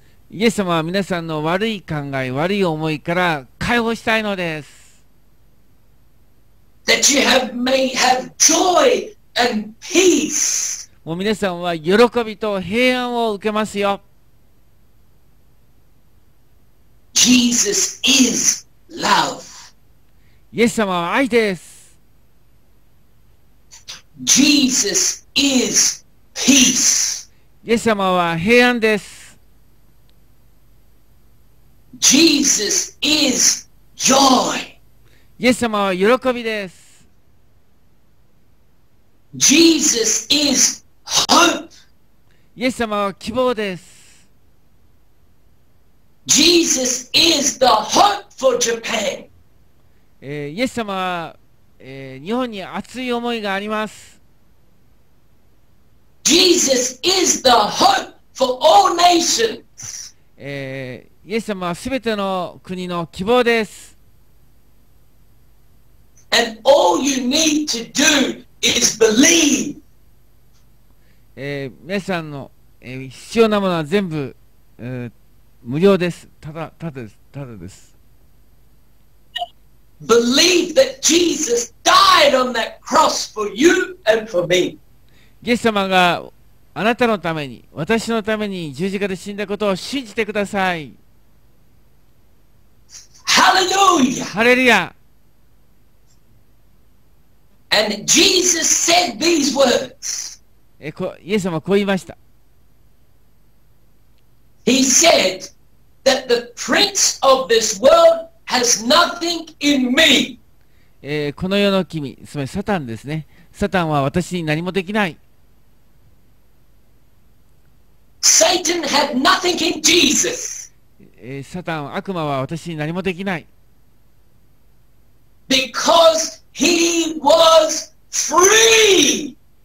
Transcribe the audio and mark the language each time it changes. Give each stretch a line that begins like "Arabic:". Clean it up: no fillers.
Japanese: イエス様は皆さんの悪い考え、悪い思いから解放したいのです。
English: That you have, may have joy and peace.
Japanese: もう皆さんは喜びと平安を受けますよ。
English: Jesus is love.
Japanese: イエス様は愛です。
English: Jesus is peace.
Japanese: イエス様は平安です。
English: Jesus is joy.
Japanese: イエス様は喜びです。
English: Jesus is hope.
Japanese: イエス様は希望です。
English: Jesus is the hope for Japan.
Japanese: イエス様は、日本に熱い思いがあります。
English: Jesus is the hope for all nations.
Japanese: イエス様はすべての国の希望です。
English: And all you need to do is believe.
Japanese: 皆さんの、必要なものは全部、無料です。ただです。
English: Believe that Jesus died on that cross for you and for me.
Japanese: イエス様があなたのために、私のために十字架で死んだことを信じてください。ハレルヤ。ハレルヤ。
English: And Jesus said these words.
Japanese: イエス様はこう言いました。
English: He said that the prince of this world has nothing in me.
Japanese: この世の君、つまりサタンですね。サタンは私に何もできない。
English: Satan had nothing in Jesus.
Japanese: サタン、悪魔は私に何もできない。
English: Because he was free.